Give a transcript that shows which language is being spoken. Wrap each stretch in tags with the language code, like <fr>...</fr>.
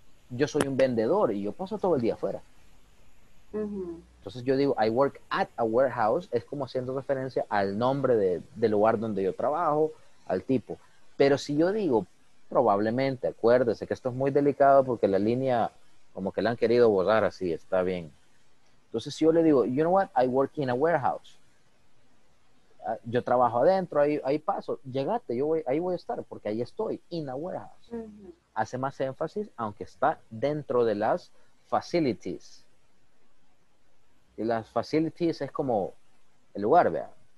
<es>Yo soy un vendedor y yo paso todo el día afuera. Entonces yo digo,</es> <en>I work at a warehouse,</en> <es>es como haciendo referencia al nombre del lugar donde yo trabajo, al tipo. Pero si yo digo, probablemente, acuérdese que esto es muy delicado porque la línea... como que la han querido borrar así, está bien. Entonces, si yo le digo,</es> <en>you know what, I work in a warehouse.</en> <es>Yo trabajo adentro, ahí paso. Llegate, ahí voy a estar, porque ahí estoy,</es> <en>in a warehouse.</en> <es>Hace más énfasis, aunque está dentro de las facilities. Y las facilities es como el lugar, vea.</es>